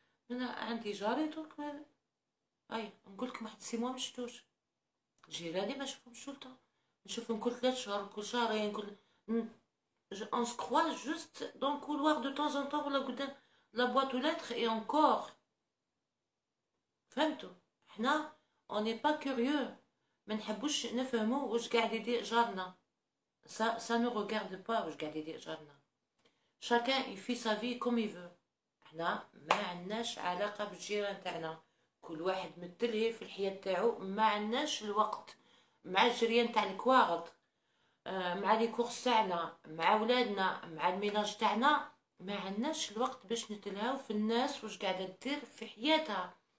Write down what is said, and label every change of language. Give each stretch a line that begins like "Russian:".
Arabic: انا عندي جاري دونك اي نقولكم واحد سيمو ما شفتوش جيراني، ما نشوفهمش طول طون، نشوفهم كل ثلاث شهور كل شهرين كل on se croise juste dans le couloir de temps en temps ولا قدام la boîte aux lettres et encore. فهمتوا حنا on est pas curieux، ما نحبوش نفهموا واش قاعد يدير جارنا. ça ne regarde pas واش قاعد يدير جارنا.
French: chacun il fait sa vie comme il veut.
Arabic: حنا ما عندناش علاقه بالجيران تاعنا، كل واحد متلهي في الحياه تاعو، ما عندناش الوقت مع الجريان تاع الكواغط، مع لي كورس تاعنا، مع ولادنا، مع الميناج تاعنا، ما عندناش الوقت باش نتلهاو في الناس واش قاعده دير في حياتها.